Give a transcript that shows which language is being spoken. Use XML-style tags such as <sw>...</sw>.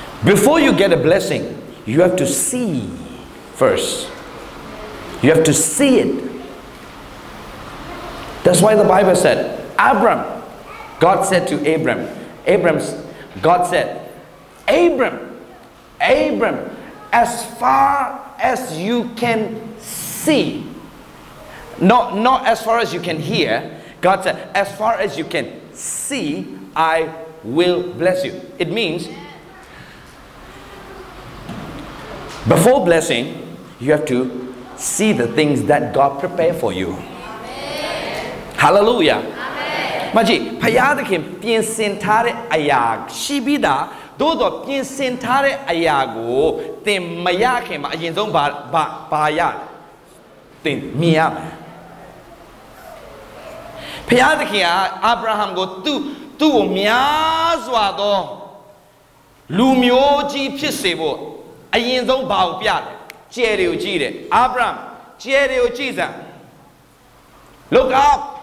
<en>before you get a blessing you have to see first you have to see it that's why the bible said Abraham God said to Abraham Abraham's God said Abraham Abram, as far as you can see, not as far as you can hear, God said, as far as you can see, I will bless you. It means, before blessing, you have to see the things that God prepared for you. Amen. Hallelujah. Amen.</en> <my>Maji, ဘုရားသခင်ပြင်ဆင်ထားတဲ့အရာရှိပြီးသားတို့တော့ပြင်ဆင်ထားတဲ့အရာကိုသင်မရခင်မှာအရင်ဆုံးဘာရလဲသင်မြင်ရမယ်ဘုရားသခင်ကအာဗြဟံကိုသူ့ကိုများစွာသောလူမျိုးကြီးဖြစ်စေဖို့အရင်ဆုံးဘာကိုပြတယ်ကျယ်တွေကိုကြည့်တယ်အာဗြဟံကျယ်တွေကိုကြည့်စမ်း</my> <en>Look up</en>